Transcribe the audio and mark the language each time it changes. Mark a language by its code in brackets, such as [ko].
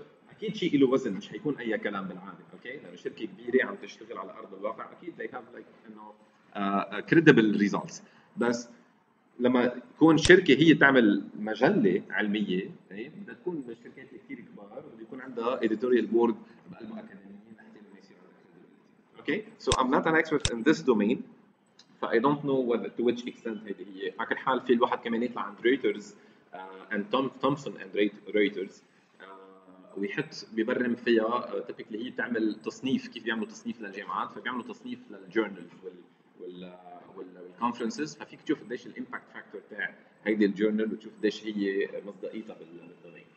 [ar] اكيد شيء له وزن, مش حيكون اي كلام بالعادي. اوكي لانه شركه كبيره عم تشتغل على ارض الواقع, اكيد they have like you know credible results. بس لما تكون شركه هي تعمل مجله علميه, اي بدها تكون من الشركات كثير كبار ويكون عندها editorial board بقلبها اكاديميين لحتى ما يصير عندها credibility. [en] Okay so I'm not an expert in this domain. I don't know whether to which extent هيدي هي. [ar] على كل حال في الواحد كمان يطلع عند ريترز اند تومسون اند ريترز ويحط ببرم فيها تيبيكلي هي بتعمل تصنيف, كيف بيعملوا تصنيف للجامعات, فبيعملوا تصنيف للجورنالز والكونفرنسز. ففيك تشوف قديش الامباكت فاكتور تاع هيدي الجورنال وتشوف قديش هي مصداقيتها بالدومين.